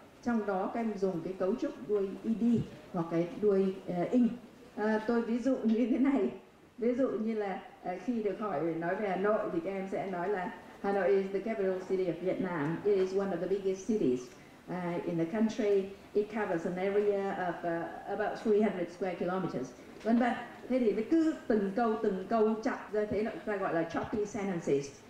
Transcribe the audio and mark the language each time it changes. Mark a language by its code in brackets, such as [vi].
[vi] Trong đó các em dùng cái cấu trúc đuôi ed hoặc cái đuôi ing. Tôi ví dụ như thế này. Ví dụ như là khi được hỏi nói về Hà Nội thì các em sẽ nói là [en] Hanoi is the capital city of Vietnam. It is one of the biggest cities in the country. It covers an area of about 300 square kilometers. [vi] Vân vân. Thế thì cứ từng câu chặt ra, thế là ta gọi là choppy sentences.